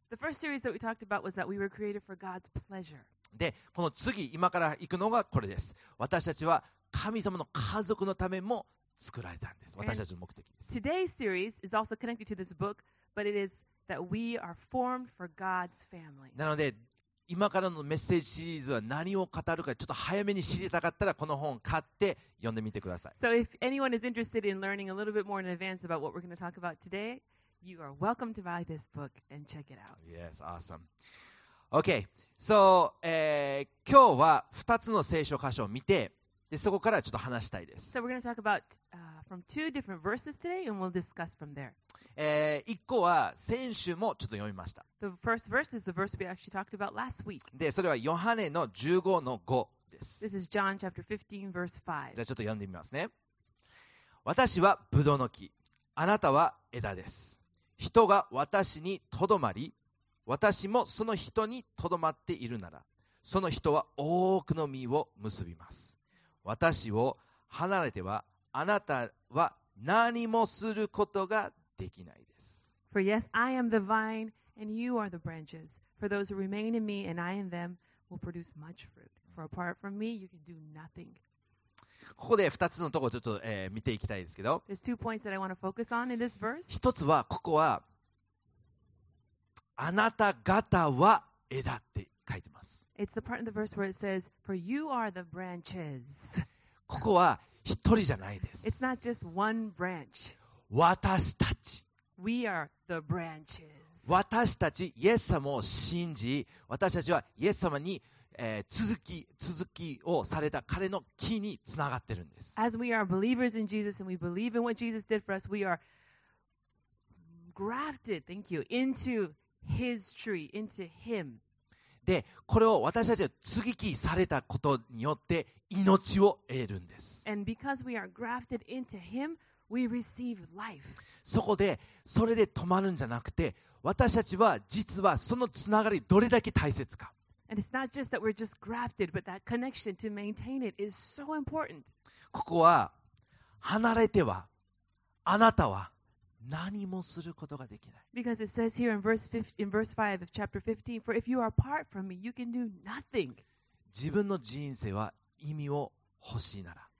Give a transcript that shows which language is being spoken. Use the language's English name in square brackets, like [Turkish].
[English] The first series that we talked about was that we were created for God's pleasure. [Japanese] で、この次、今から行くのがこれです。私たちは神様の家族のためも作られたんです。私たちの目的です。 [English] And、today's series is also connected to this book, but it is that we are formed for God's family. [Japanese] なので、今からのメッセージシリーズは何を語るかちょっと早めに知りたかったらこの本を買って読んでみてください。 [English] So if anyone is interested in learning a little bit more in advance about what we're going to talk about today, you are welcome to buy this book and check it out. Yes, awesome. [Japanese] Okay, so 今日は2つの聖書箇所を見てでそこからちょっと話したいです。 [English] So we're going to talk about from two different verses today and we'll discuss from there. [Japanese] 一個は先週もちょっと読みました。 [English] The first verse is the verse we actually talked about last week. [Japanese] で、それはヨハネの15の5です。 [English] This is John chapter 15 verse 5. [Japanese] じゃあちょっと読んでみますね。私はブドウの木、あなたは枝です。人が私にとどまり、私もその人にとどまっているなら、その人は多くの実を結びます。私を離れてはあなたは何もすることができない。できないです。 [English] For yes, I am the vine, and you are the branches. For those who remain in me, and I in them, will produce much fruit. For apart from me, you can do nothing. [Japanese] ここで2つのところをちょっと、見ていきたいですけど。 [English] There's two points that I want to focus on in this verse. [Japanese] 一つはここはあなた方は枝って書いてます。 [English] It's the part in the verse where it says, "For you are the branches." [Japanese] ここは一人じゃないです。 [English] It's not just one branch. [Japanese] 私たち。 [English] We are the branches. [Japanese] 私たちイエス様を信じ、私たちはイエス様に、続きをされた彼の木につながっているんです。 [English] As we are believers in Jesus and we believe in what Jesus did for us, we are grafted, thank you, into His tree, into Him. [Japanese] で、これを私たちは接ぎ木されたことによって命を得るんです。 [English] And because we are grafted into Him, we receive life. [Japanese] そこで、それで止まるんじゃなくて、私たちは実はそのつながりどれだけ大切か。 [English] And it's not just that we're just grafted, but that connection to maintain it is so important. [Japanese] ここは離れてはあなたは何もすることができない。 [English] Because it says here in verse 5 of chapter 15, for if you are apart from me, you can do nothing. [Japanese] 自分の人生は意味を欲しいなら。